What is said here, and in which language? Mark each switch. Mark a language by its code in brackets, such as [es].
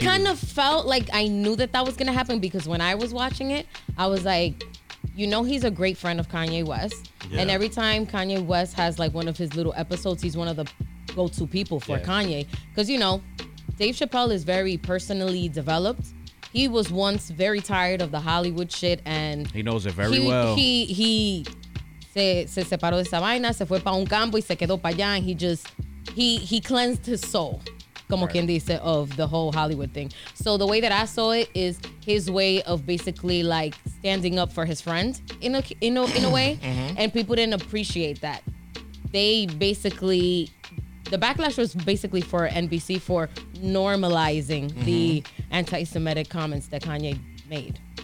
[en] I kind of felt like I knew that was gonna happen because when I was watching it, I was like, you know, he's a great friend of Kanye West. Yeah. And every time Kanye West has like one of his little episodes, he's one of the go-to people for Kanye. Because, you know, Dave Chappelle is very personally developed. He was once very tired of the Hollywood shit. And he knows it very well. [es] He se separó de esa vaina, se fue para un campo y se quedó para allá. [en] And he cleansed his soul, [es] como quien dice, [en] of the whole Hollywood thing. So the way that I saw it is his way of basically like standing up for his friend in a way. Mm-hmm. And people didn't appreciate that. The backlash was basically for NBC for normalizing the anti-Semitic comments that Kanye made.